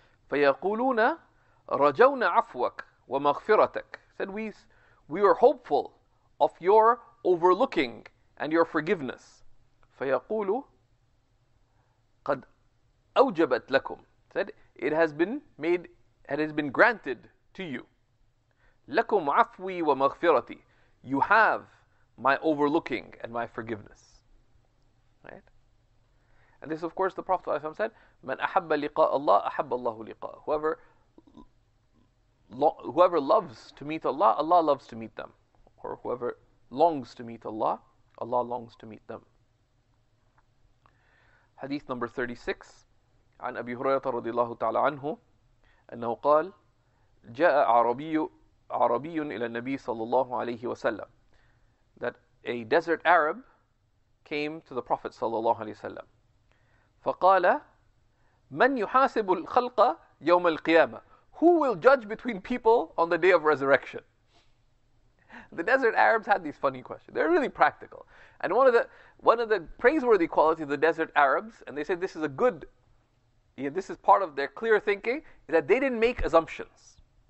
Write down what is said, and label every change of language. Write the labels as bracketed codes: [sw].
[ar] فيقولون رجونا عفوك ومغفرتك. [en] Said, we were hopeful of your overlooking and your forgiveness. [ar] فيقول قد أوجبت لكم. [en] Said, it has been made, it has been granted to you. [ar] لكم عفوي ومغفرتي. [en] You have my overlooking and my forgiveness. Right? And this, of course, the Prophet ﷺ said, [ar] من أحب لقاء الله أحب الله لقاء. [en] Whoever whoever loves to meet Allah, Allah loves to meet them. Or whoever longs to meet Allah, Allah longs to meet them. Hadith number 36, [ar] عن أبي هريرة رضي الله تعالى عنه أنه قال جاء عربي إلى النبي صلى الله عليه وسلم. [en] That a desert Arab came to the Prophet صلى الله عليه وسلم. [ar] فقال من يحاسب الخلق يوم القيامة. [en] Who will judge between people on the day of resurrection? The desert Arabs had these funny questions. They're really practical. And one of the praiseworthy qualities of the desert Arabs, and they said this is a good, yeah, this is part of their clear thinking, is that they didn't make assumptions.